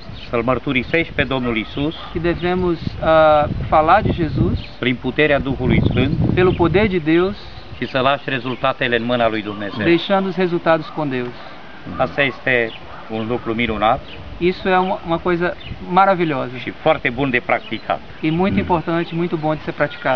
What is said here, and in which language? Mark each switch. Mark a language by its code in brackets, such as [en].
[ro] Să-L mărturisești pe Domnul Iisus. [pt] Que devemos falar de Jesus. [ro] Prin puterea Duhului Sfânt. [pt] Pelo poder de Deus. [ro] Și să lași rezultatele în mâna lui Dumnezeu. [pt] Deixando os resultados com Deus. [ro] Asta este un lucru minunat. [pt] Isso é uma coisa maravilhosa. [ro] Și foarte bun de practicat. [pt] E muito importante, muito bom de ser praticado.